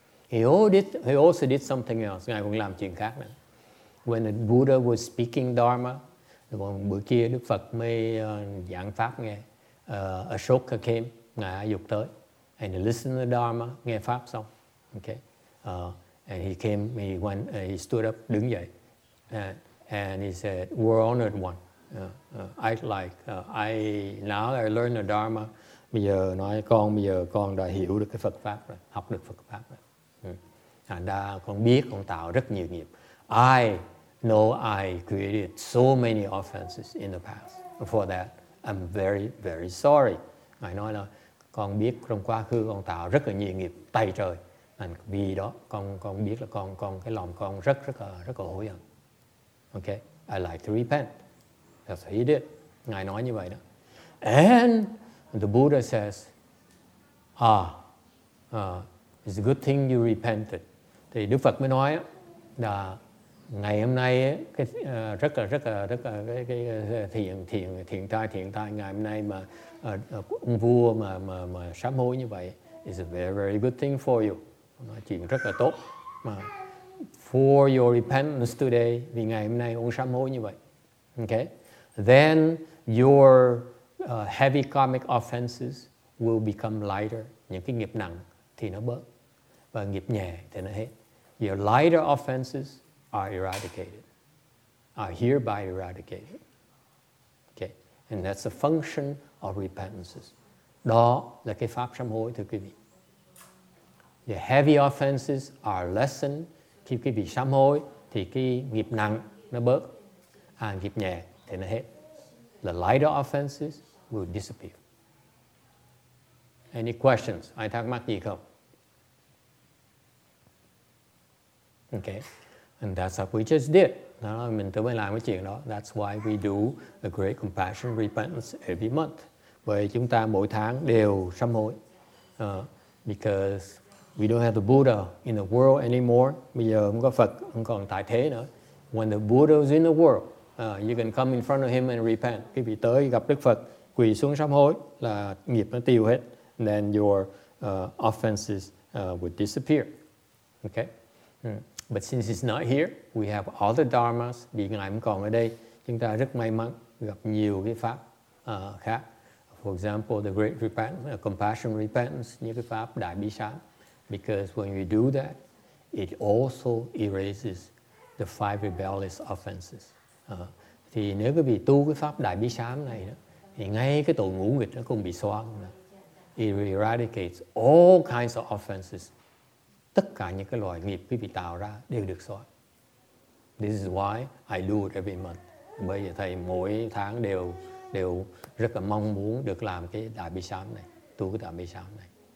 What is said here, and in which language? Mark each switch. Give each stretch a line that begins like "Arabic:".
English: He also did something else.
Vietnamese: Ngài cũng làm chuyện khác nữa.
English: When the Buddha was speaking Dharma,
Vietnamese: bữa kia Đức Phật mới giảng pháp nghe,
English: Ashoka came,
Vietnamese: ngài Ajuk tới,
English: and he listened to Dharma,
Vietnamese: nghe pháp xong,
English: okay, and he came, he went, he stood up,
Vietnamese: đứng dậy,
English: and he said, "We're honored one." I learned the Dharma.
Vietnamese: Bây giờ nói con, bây giờ con đã hiểu được cái Phật pháp rồi, học được Phật pháp rồi. Con biết con tạo rất nhiều nghiệp.
English: I know I created so many offenses in the past. For that, I'm very, very sorry.
Vietnamese: Ngài nói là con biết trong quá khứ con tạo rất là nhiều nghiệp tày trời. And vì đó con biết là con cái lòng con rất rất rất là hối hận.
English: Okay, I like to repent. That's what he did.
Vietnamese: Ngài nói như vậy đó.
English: And the Buddha says, it's a good thing you repented.
Vietnamese: Thì Đức Phật mới nói là ngày hôm nay cái rất là cái thiện tai ngày hôm nay mà ông vua mà sám hối như vậy
English: is a very very good thing for you.
Vietnamese: Nói chuyện rất là tốt mà
English: for your repentance today,
Vietnamese: vì ngày hôm nay ông sám hối như vậy.
English: Okay, then your heavy karmic offenses will become lighter.
Vietnamese: Những cái nghiệp nặng thì nó bớt và nghiệp nhẹ thì nó hết.
English: Your lighter offenses are eradicated, are hereby eradicated. Okay, and that's a function of repentances.
Vietnamese: Đó là cái pháp sám hối thưa quý vị.
English: The heavy offenses are lessened.
Vietnamese: Khi quý vị sám hối thì cái nghiệp nặng nó bớt, à nghiệp nhẹ thì nó hết.
English: The lighter offenses will disappear. Any questions?
Vietnamese: Ai thắc mắc gì không?
English: Okay, and that's what we just did.
Vietnamese: Đó là mình tới mới làm cái chuyện đó.
English: That's why we do a great compassion repentance every month.
Vietnamese: Vậy chúng ta mỗi tháng đều sám hối.
English: Because we don't have the Buddha in the world anymore.
Vietnamese: Bây giờ không có Phật, không còn tại thế nữa.
English: When the Buddha is in the world, you can come in front of him and repent.
Vietnamese: Khi bị tới gặp Đức Phật, quỳ xuống sám hối là nghiệp nó tiêu hết.
English: And then your offenses would disappear. Okay? But since he's not here, we have all the dharmas.
Vietnamese: Vì ngài không còn ở đây, chúng ta rất may mắn gặp nhiều cái pháp khác.
English: For example, the great repentance, compassion repentance,
Vietnamese: như cái pháp đại bi sám.
English: Because when we do that, it also erases the five rebellious offenses.
Vietnamese: Thì nếu quý vị tu cái pháp đại bi sám này, thì ngay cái tội ngũ nghịch nó cũng bị xóa.
English: It eradicates all kinds of offenses.
Vietnamese: Tất cả những cái loại nghiệp quý vị tạo ra đều được xóa.
English: This is why I do it every month.
Vietnamese: Bây giờ thầy mỗi tháng đều rất là mong muốn được làm cái đại bi sám này, tu cái đại bi sám này.